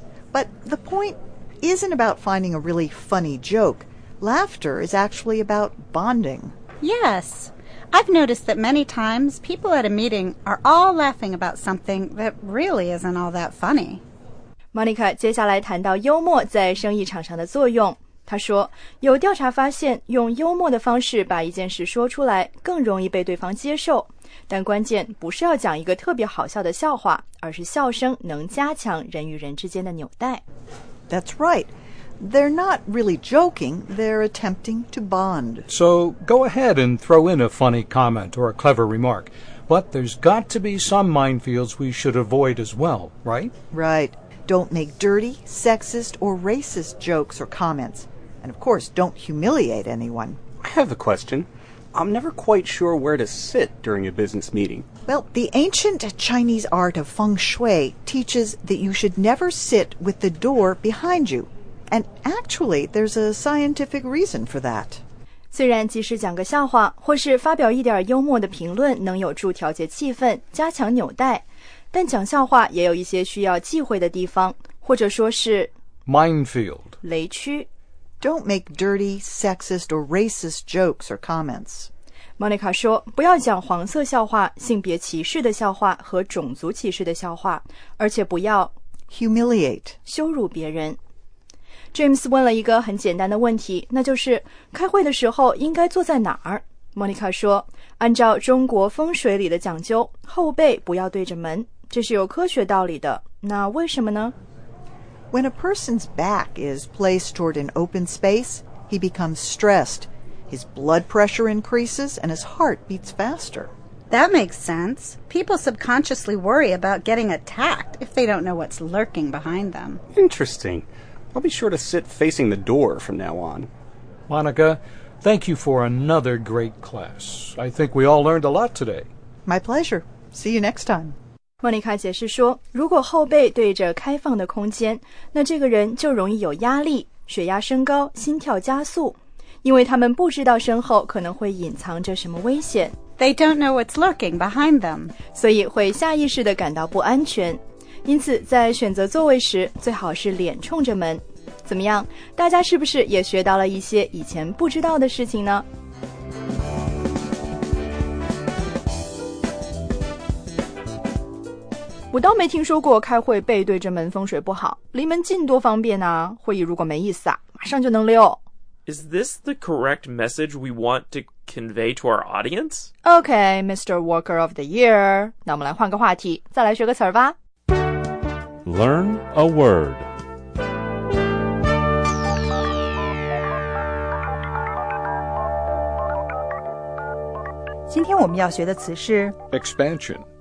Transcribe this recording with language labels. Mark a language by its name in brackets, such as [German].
[English] But the point isn't about finding a really funny joke. Laughter is actually about bonding. Yes. I've noticed that many times people at a meeting are all laughing about something that really isn't all that funny. [Chinese] Monica 接下来谈到幽默在生意场上的作用。她说，有调查发现，用幽默的方式把一件事说出来，更容易被对方接受。但关键不是要讲一个特别好笑的笑话，而是笑声能加强人与人之间的纽带。 [English] That's right. They're not really joking. They're attempting to bond. So go ahead and throw in a funny comment or a clever remark. But there's got to be some minefields we should avoid as well, right? Right. Don't make dirty, sexist, or racist jokes or comments. And of course, don't humiliate anyone. I have a question. I'm never quite sure where to sit during a business meeting. Well, the ancient Chinese art of feng shui teaches that you should never sit with the door behind you. And actually, there's a scientific reason for that. [Chinese] 虽然即使讲个笑话或是发表一点幽默的评论能有助调节气氛、加强纽带，但讲笑话也有一些需要忌讳的地方，或者说是 [English] minefield [Chinese] 雷区。 [English] Don't make dirty, sexist, or racist jokes or comments. [Chinese] Monica 说，不要讲黄色笑话、性别歧视的笑话和种族歧视的笑话，而且不要 [English] humiliate [Chinese] 羞辱别人。 James 问了一个很简单的问题，那就是开会的时候应该坐在哪儿？ Monica 说，按照中国风水里的讲究，后背不要对着门，这是有科学道理的。那为什么呢？ [English] When a person's back is placed toward an open space, he becomes stressed. His blood pressure increases and his heart beats faster. That makes sense. People subconsciously worry about getting attacked if they don't know what's lurking behind them. Interesting. I'll be sure to sit facing the door from now on. Monica, thank you for another great class. I think we all learned a lot today. My pleasure. See you next time. [Chinese] 莫妮卡解释说，如果后背对着开放的空间，那这个人就容易有压力，血压升高，心跳加速，因为他们不知道身后可能会隐藏着什么危险。 [English] They don't know what's lurking behind them. [Chinese] 所以会下意识地感到不安全。因此在选择座位时最好是脸冲着门。怎么样？大家是不是也学到了一些以前不知道的事情呢？我倒没听说过开会背对着门风水不好，离门近多方便啊，会议如果没意思啊，马上就能溜。 [English] Is this the correct message we want to convey to our audience? Okay, Mr. Worker of the Year. [Chinese] 那我们来换个话题，再来学个词儿吧。 [English] Learn a word. Expansion.